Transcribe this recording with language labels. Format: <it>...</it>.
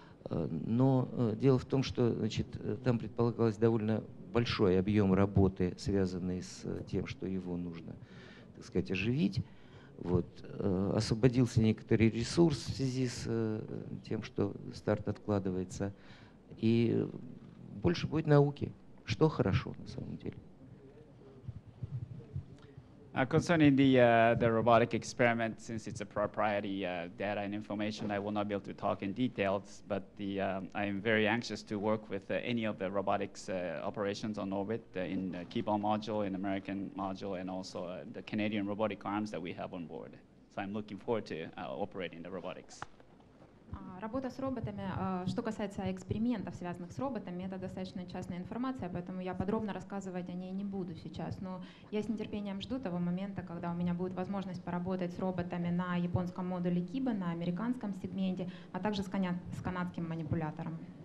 <ru>Но дело в том, что там предполагалось довольно большой объем работы, связанный с тем, что его нужно, так сказать, оживить. Вот. Освободился некоторый ресурс в связи с тем, что старт откладывается. И больше будет науки, что хорошо на самом деле.</ru> <en>Concerning the robotic experiment, since it's a proprietary data and information, I will not be able to talk in details, but I am very anxious to work with any of the robotics operations on orbit in the Kibon module, in American module, and also the Canadian robotic arms that we have on board. So I'm looking forward to operating the robotics.</en> <ru>Работа с роботами, что касается экспериментов, связанных с роботами, это достаточно частная информация, поэтому я подробно рассказывать о ней не буду сейчас. Но я с нетерпением жду того момента, когда у меня будет возможность поработать с роботами на японском модуле Киба, на американском сегменте, а также с канадским манипулятором.</ru>